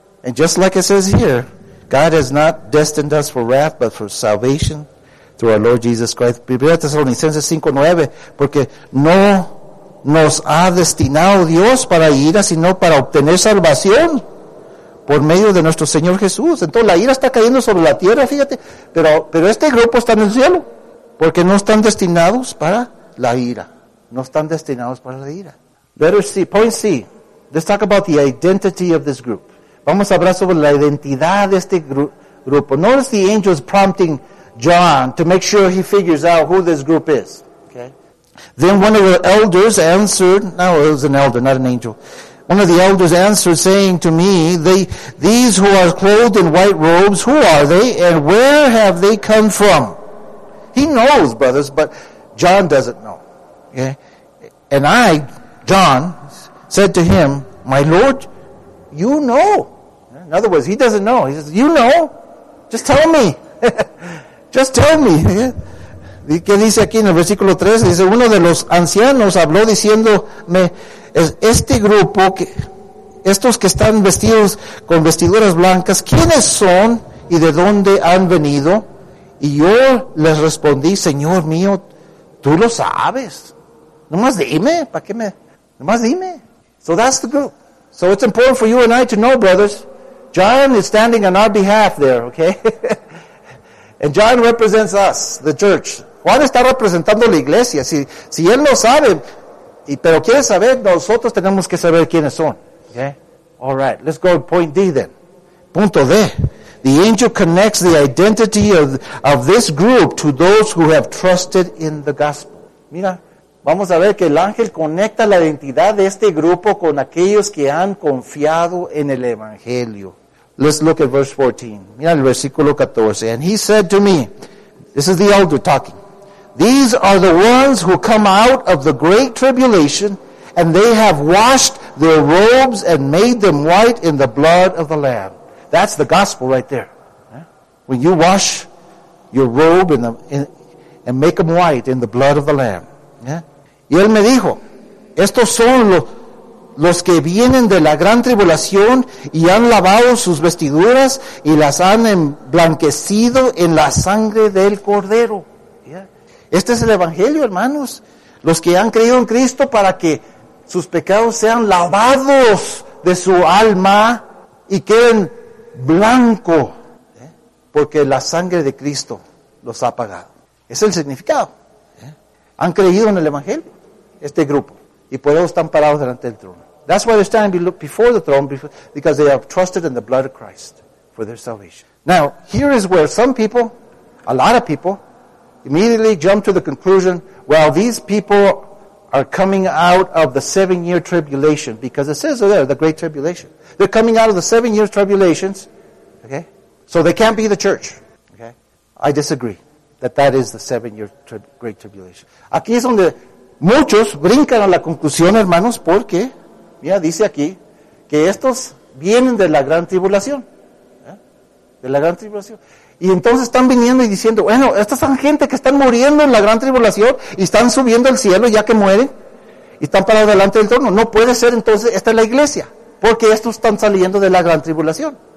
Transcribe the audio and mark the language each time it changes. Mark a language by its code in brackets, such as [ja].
[en] And just like it says here, God has not destined us for wrath, but for salvation through our Lord Jesus Christ. [es] 1 Thessalonians 5:9, porque no nos ha destinado Dios para ira, sino para obtener salvación por medio de nuestro Señor Jesús. Entonces la ira está cayendo sobre la tierra, fíjate. Pero este grupo está en el cielo, porque no están destinados para la ira. No están destinados para la ira. [en] Letter C, point C. Let's talk about the identity of this group. [es] Vamos a hablar sobre la identidad de este grupo. [en] Notice the angels prompting John to make sure he figures out who this group is. Okay. Then one of the elders answered. No, it was an elder, not an angel. One of the elders answered, saying to me, "These who are clothed in white robes, who are they, and where have they come from?" He knows, brothers, but John doesn't know. Okay. And I, John, said to him, "My Lord, you know." In other words, he doesn't know. He says, "You know. Just tell me. Just tell me." [es] ¿Qué dice aquí en el versículo 3? Dice, uno de los ancianos habló diciéndome, este grupo, estos que están vestidos con vestiduras blancas, ¿quiénes son y de dónde han venido? Y yo les respondí, Señor mío, tú lo sabes. Nomás dime, ¿para qué me? Nomás dime. [en] So that's the group. So it's important for you and I to know, brothers. John is standing on our behalf there, okay? And John represents us, the church. [es] Juan está representando la iglesia. Si él no sabe, pero quiere saber, nosotros tenemos que saber quiénes son. [en] Okay? All right, let's go to point D then. [es] Punto D. [en] The angel connects the identity of this group to those who have trusted in the gospel. [es] Mira, vamos a ver que el ángel conecta la identidad de este grupo con aquellos que han confiado en el evangelio. [en] Let's look at verse 14. [es] Mira el versículo 14. [en] And he said to me, this is the elder talking, these are the ones who come out of the great tribulation, and they have washed their robes and made them white in the blood of the Lamb. That's the gospel right there. When you wash your robe and make them white in the blood of the Lamb. [es] Yeah. Y él me dijo, estos son los que vienen de la gran tribulación y han lavado sus vestiduras y las han emblanquecido en la sangre del Cordero. Yeah. Este es el Evangelio, hermanos. Los que han creído en Cristo para que sus pecados sean lavados de su alma y queden blanco. Yeah. Porque la sangre de Cristo los ha pagado. Es el significado. Han creído en el Evangelio, este grupo. Y por eso están parados delante del trono. [en] That's why they're standing before the throne, because they have trusted in the blood of Christ for their salvation. Now, here is where some people, a lot of people, immediately jump to the conclusion, well, these people are coming out of the 7-year tribulation, because it says there, the great tribulation. They're coming out of the 7-year tribulations, okay? So they can't be the church, okay? I disagree. That is the 7-year great tribulation. [es] Aquí es donde Muchos brincan a la conclusión, hermanos, porque, mira, dice aquí, que estos vienen de la gran tribulación. De la gran tribulación. Y entonces están viniendo y diciendo, bueno, estas son gente que están muriendo en la gran tribulación y están subiendo al cielo ya que mueren y están parados delante del trono. No puede ser entonces, esta es la iglesia, porque estos están saliendo de la gran tribulación.